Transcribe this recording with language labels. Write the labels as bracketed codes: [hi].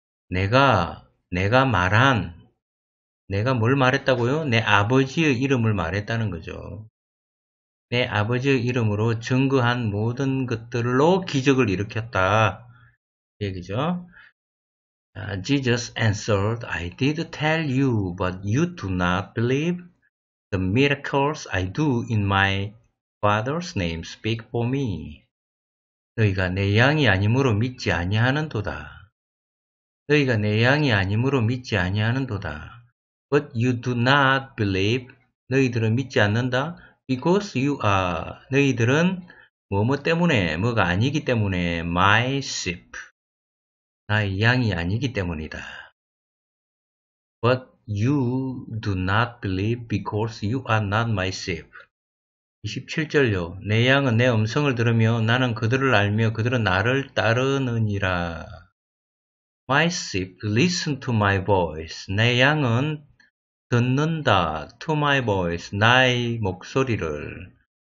[ko] 내가 말한. 내가 뭘 말했다고요? 내 아버지의 이름을 말했다는 거죠. 내 아버지의 이름으로 증거한 모든 것들로 기적을 일으켰다. 얘기죠. [en] Jesus answered, I did tell you, but you do not believe the miracles I do in my father's name. Speak for me. [ko] 너희가 내 양이 아니므로 믿지 아니하는도다. 너희가 내 양이 아니므로 믿지 아니하는도다. [en] But you do not believe, [ko] 너희들은 믿지 않는다, [en] because you are, [ko] 너희들은 뭐뭐 때문에, 뭐가 아니기 때문에, [en] my sheep, [ko] 나의 양이 아니기 때문이다. [en] But you do not believe, because you are not my sheep. [ko] 27절요, 내 양은 내 음성을 들으며, 나는 그들을 알며, 그들은 나를 따르느니라. [en] My sheep, listen to my voice, [ko] 내 양은 듣는다, [en] to my voice, [ko] 나의 목소리를.